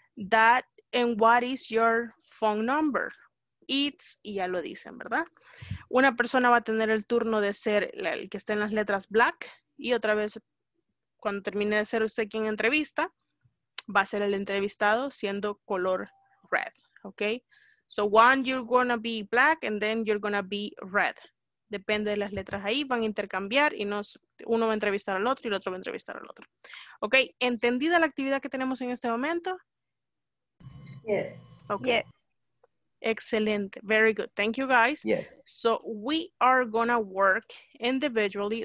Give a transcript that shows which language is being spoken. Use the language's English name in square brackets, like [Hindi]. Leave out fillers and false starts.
[English] That, and what is your phone number? It's, [Spanish] y ya lo dicen, ¿verdad? Una persona va a tener el turno de ser el que está en las letras black y otra vez, cuando termine de ser usted quien entrevista, va a ser el entrevistado siendo color red, ¿ok? [English] So one, you're gonna be black and then you're gonna be red. [Spanish] Depende de las letras ahí, van a intercambiar y uno va a entrevistar al otro y el otro va a entrevistar al otro. ¿Ok? ¿Entendida la actividad que tenemos en este momento? [English] Yes. Okay. Yes. Excelente. Very good. Thank you, guys. Yes. So, we are going to work individually.